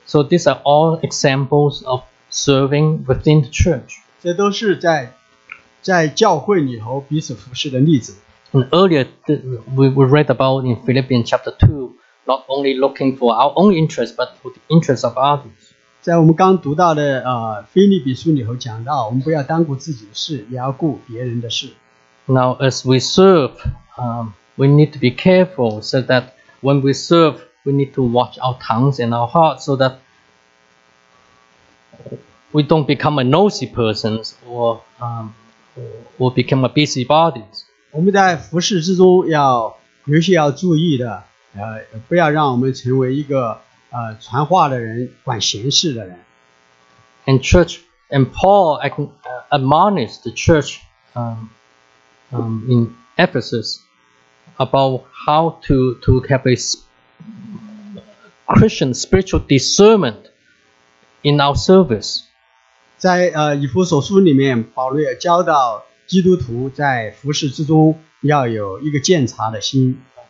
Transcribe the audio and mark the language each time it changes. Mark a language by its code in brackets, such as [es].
[en] So these are all examples of serving within the church. [zh] 这都是在教会里头彼此服侍的例子。 [en] And earlier we read about in Philippians chapter 2, not only looking for our own interests, but for the interests of others. [zh] 在我们刚读到的, 菲利比书里头讲到, 我们不要当顾自己的事, 也要顾别人的事。 [en] Now as we serve, we need to be careful so that when we serve, we need to watch our tongues and our hearts so that we don't become a nosy person or become a busybody. [zh] 我们在服事之中要尤其要注意的, 不要让我们成为一个, 传话的人, 管闲事的人。 [en] And church, and Paul admonished the church in Ephesus about how to have a Christian spiritual discernment in our service. [zh] 在, 以弗所书里面, 保罗也教导, 基督徒在服事之中要有一个鉴察的心。